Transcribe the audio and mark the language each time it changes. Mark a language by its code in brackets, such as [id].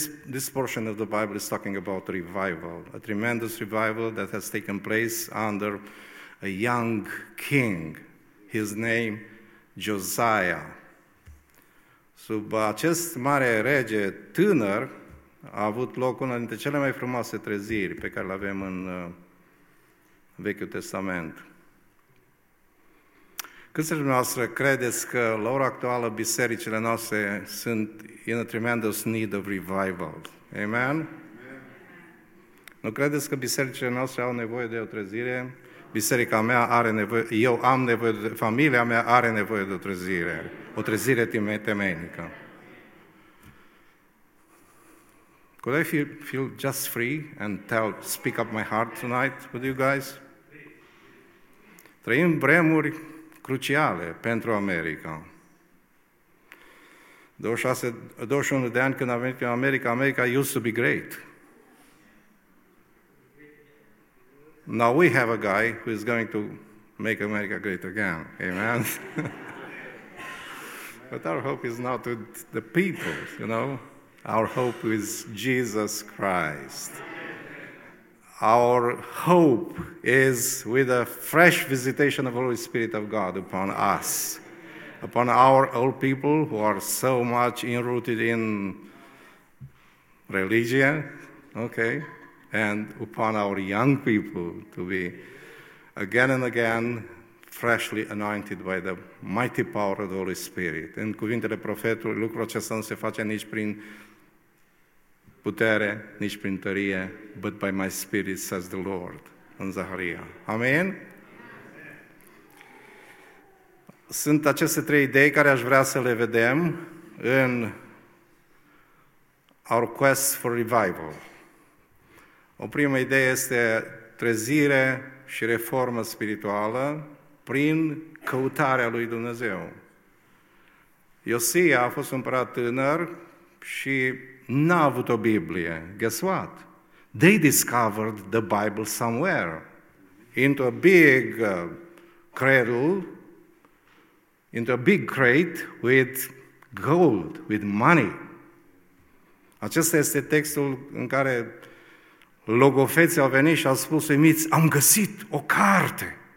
[en] This portion of the Bible is talking about revival, a tremendous revival that has taken place under a young king, his name Josiah. [ro] Sub acest mare rege tânăr a avut loc una dintre cele mai frumoase treziri pe care le avem în Vechiul Testament. Câți dintre noastre credeți că la ora actuală bisericile noastre sunt [en] in a tremendous need of revival? [ro] Amen? Amen. Nu credeți că bisericile noastre au nevoie de o trezire? Biserica mea are nevoie, eu am nevoie, familia mea are nevoie de o trezire, o trezire temeinică. [en] Could I feel just free and speak up my heart tonight with you guys? [ro] Trăim vremuri cruciale pentru America. 21 de ani când a venit în America, [en] America used to be great. Now we have a guy who is going to make America great again. Amen? But our hope is not with the people, you know? Our hope is Jesus Christ. Our hope is with a fresh visitation of the Holy Spirit of God upon us, upon our old people who are so much enrooted in religion, okay, and upon our young people to be again and again freshly anointed by the mighty power of the Holy Spirit. [ro] În cuvintele profetului, lucrul acesta nu se face nici prin putere, nici prin tărie, [en] but by my spirit, says the Lord, [ro] în Zaharia. Amen? Sunt aceste trei idei care aș vrea să le vedem în [en] our quest for revival. [ro] O primă idee este trezire și reformă spirituală prin căutarea lui Dumnezeu. Iosia a fost un împărat tânăr și n-a avut o Biblie. [en] Guess what? They discovered the Bible somewhere. Into a big cradle, into a big crate with gold, with money. [ro] Acesta este textul în care logofeții au venit și au spus, uimiți, am găsit o carte.